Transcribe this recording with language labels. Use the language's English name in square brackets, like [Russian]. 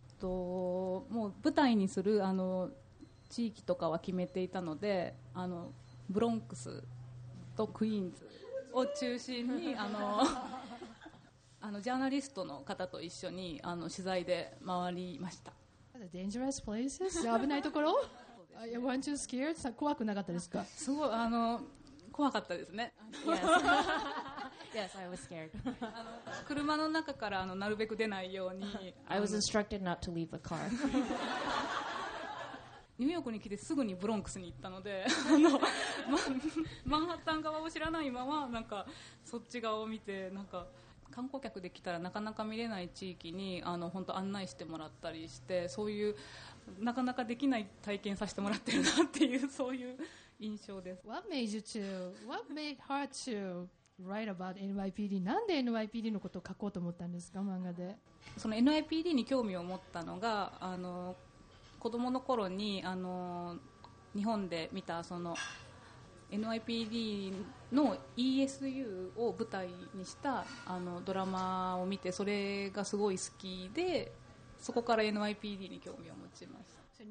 [Japanese] もう舞台にするあの地域とかは決めていたので、あのブロンクスとクイーンズを中心にあのあのジャーナリストの方と一緒にあの取材で回りました。 [English] The dangerous places? [Japanese] 危ないところ、ね、 [English] Are you want to scare? [Japanese] 怖くなかったですか？すごいあの怖かったですね。 [English] Yes, I was scared. [Japanese] 車の中からあのなるべく出ないように。 [English] I was instructed not to leave the car. [Japanese] ニューヨークに来てすぐにブロンクスに行ったのであの、ま、マンハッタン側を知らないままなんかそっち側を見て、なんか観光客で来たらなかなか見れない地域にあの本当案内してもらったりして、そういうなかなかできない体験させてもらってるなっていう、そういう印象です。 [English] What made her to write about NYPD? [Japanese] なんで NYPD のことを書こうと思ったんですか漫画で。その NYPD に興味を持ったのが、あの子供の頃にあの日本で見たそのNYPD の ESU を舞台にしたあのドラマを見て、それがすごい好きで、そこから NYPD に興味を持ちました。